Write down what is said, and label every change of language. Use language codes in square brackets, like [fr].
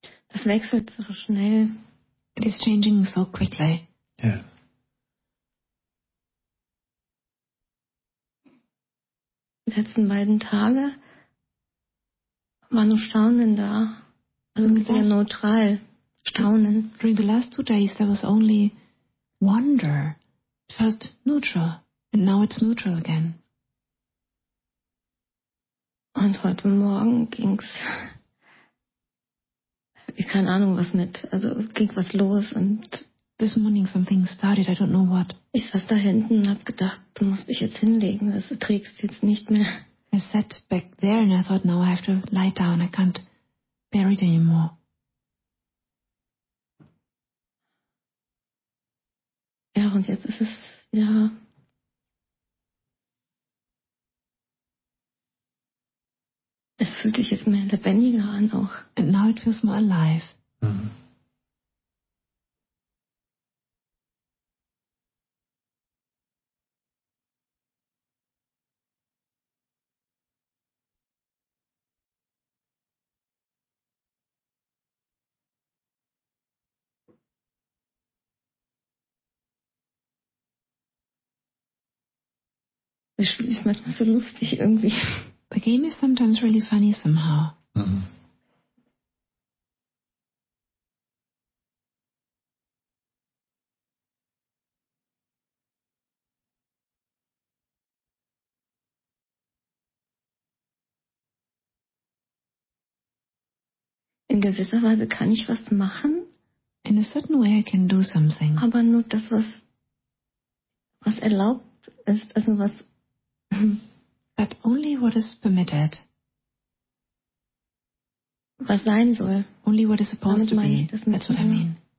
[de] Das wechselt so schnell. [en] It is changing so quickly. [de] Die letzten beiden Tage war nur Staunen da. Also sehr neutral. Staunen. [en] During the last 2 days there was only wonder. It felt neutral. And now it's neutral again. [de] Und heute Morgen ging's, ich keine Ahnung was mit, also ging was los und [en] this morning something started, I don't know what. [de] Ich saß da hinten und hab gedacht, du musst dich jetzt hinlegen, das trägst du jetzt nicht mehr. [en] I sat back there and I thought, now I have to lie down, I can't bear it anymore. [de] Ja, und jetzt ist es, ja. Es fühlt sich jetzt mehr lebendiger an auch. [en] And now it feels more alive. [de] Das Spiel ist manchmal so lustig irgendwie. [en] The game is sometimes really funny somehow. [de] In gewisser Weise kann ich was machen. [en] In a certain way I can do something. [de] Aber nur das, was erlaubt ist, also was... [en] But only what is permitted. [de] Was sein soll. [en] Only what is supposed to be. That's what I mean.